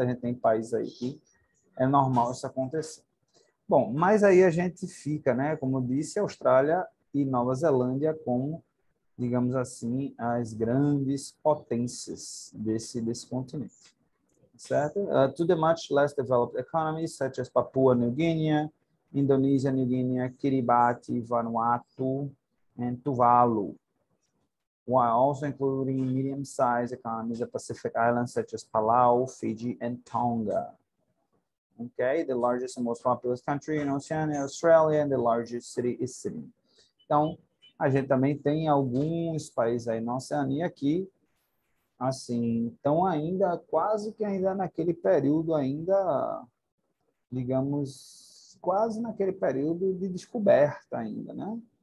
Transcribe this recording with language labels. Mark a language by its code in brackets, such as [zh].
[pt] A gente tem países aí que é normal isso acontecer. Bom, mas aí a gente fica, né, como eu disse, a Austrália e Nova Zelândia como, digamos assim, as grandes potências desse continente, certo? [en] To the much less developed economies, such as Papua New Guinea, Indonesia New Guinea, Kiribati, Vanuatu, and Tuvalu. While also including medium-sized economies of Pacific Islands, such as Palau, Fiji, and Tonga. Okay, the largest and most populous country in Oceania, Australia, and the largest city is Sydney. [pt] Então, a gente também tem alguns países aí na Oceania que, assim, estão ainda quase que ainda naquele período ainda digamos, quase naquele período de descoberta ainda, né?